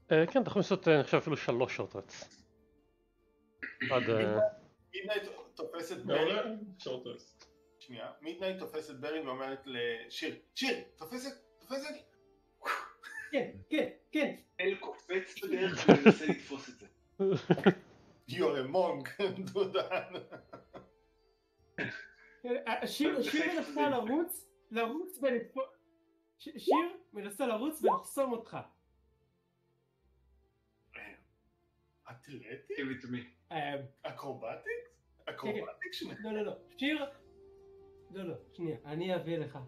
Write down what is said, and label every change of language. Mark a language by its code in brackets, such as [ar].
[he] כן, אתה יכול לעשות, אני חושב, אפילו שלוש שורט רסט. עד... מידנייט תופסת ברין... שורט רסט. שנייה, מידנייט תופסת ברין ואומרת לשיר, שיר, תופסת, תופסת! כן, כן, כן! אל קופץ בדרך ומנסה לתפוס את זה. [en] You're a monk, דודן. [he] שיר מנסה לרוץ, לרוץ ולתפוס... שיר מנסה לרוץ ולחסום אותך. אתלטיק? [en] Give it to me. [he] אקרובטיק? אקרובטיק שנייה. לא, לא, לא. שיר... לא, לא, שנייה. אני אביא לך.